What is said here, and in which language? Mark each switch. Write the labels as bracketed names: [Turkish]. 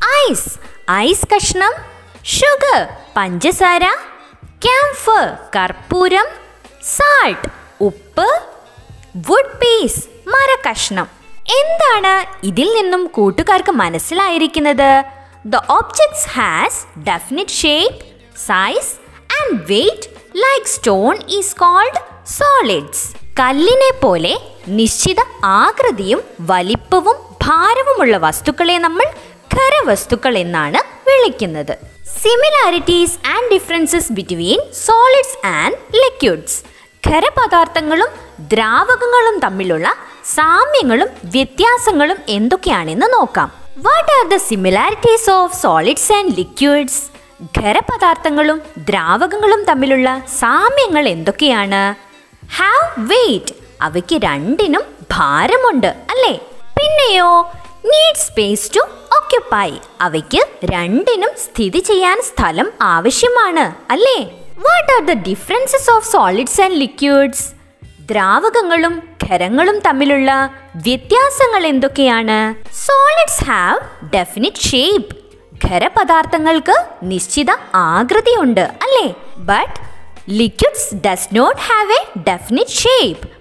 [Malayalam] Ice ice കഷ്ണം, sugar പഞ്ചസാര, camphor കർപ്പൂരം, സാൾട്ട് ഉപ്പ്, വുഡ് പീസ് മരക്കഷ്ണം. എന്താണ് ഇതിൽ നിന്നും കൂട്ടുകാർക്ക് മനസ്സിലായിരിക്കുന്നത്? [English] The objects has definite shape, size and weight like stone is called solids. [Malayalam] കല്ലിനെ പോലെ നിശ്ചിത ആകൃതിയും വലിപ്പവും ഭാരവുമുള്ള വസ്തുക്കളെ നമ്മൾ ഖരവസ്തുക്കൾ എന്നാണ് വിളിക്കുന്നത്. [English] Similarities and differences between solids and liquids. [Malayalam] ഖരപദാർത്ഥങ്ങളും ദ്രാവകങ്ങളും തമ്മിലുള്ള സാമ്യങ്ങളും വ്യത്യാസങ്ങളും എന്തൊക്കെയാണെന്ന് നോക്കാം. [English] What are the similarities of solids and liquids? [Malayalam] ഖരപദാർത്ഥങ്ങളും ദ്രാവകങ്ങളും തമ്മിലുള്ള സാമ്യങ്ങൾ എന്തൊക്കെയാണ്? [English] Have weight. [Malayalam] അവയ്ക്ക് രണ്ടിനും ഭാരമുണ്ട് അല്ലേ? [English] പിന്നെയോ need space to occupy. [Malayalam] അവയ്ക്ക് രണ്ടിനും സ്ഥിതി ചെയ്യാൻ സ്ഥലം ആവശ്യമാണ് അല്ലേ? [English] What are the differences of solids and liquids? [Malayalam] ദ്രാവകങ്ങളും ഖരങ്ങളും തമ്മിലുള്ള വ്യത്യാസങ്ങൾ എന്തൊക്കെയാണ്? [English] Solids have definite shape. [Malayalam] ഖരപദാർത്ഥങ്ങൾക്ക് നിശ്ചിത ആകൃതിയുണ്ട് അല്ലേ? [English] But liquids does not have a definite shape.